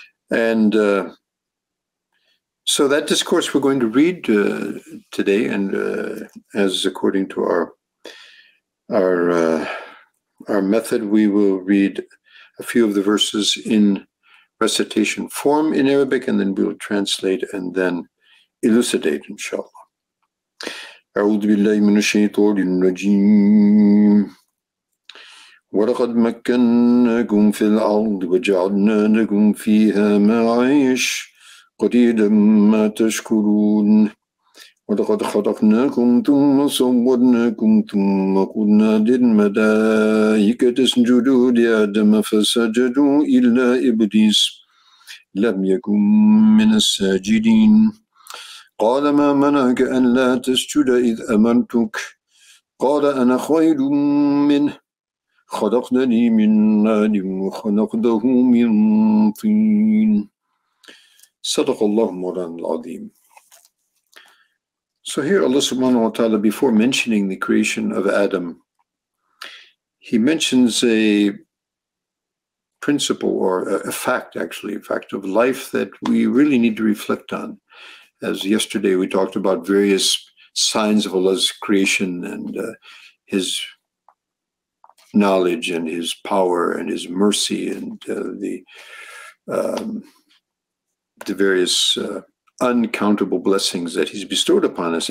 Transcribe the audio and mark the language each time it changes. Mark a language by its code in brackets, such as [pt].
[en] And so that discourse we're going to read today, and as according to our method, we will read a few of the verses in recitation form in Arabic, and then we'll translate and then elucidate, inshallah. [ar] أعوذ بالله من الشيطان الرجيم ولقد مكناكم في الأرض وجعلنا لكم فيها معايش قليلا ما تشكرون ولقد خلقناكم ثم صورناكم ثم قلنا للملائكة اسجدوا لآدم فسجدوا إلا إبليس لم يكن من الساجدين قال ما منعك أن لا تسجد إذ أمرتك قال أنا خير منه خلقتني من نار وخلقته من طين صدق الله مولانا العظيم. [en] So here Allah subhanahu wa ta'ala, before mentioning the creation of Adam, he mentions a principle, or a fact actually, a fact of life that we really need to reflect on. As yesterday we talked about various signs of Allah's creation and his knowledge and his power and his mercy and the various uncountable blessings that he's bestowed upon us.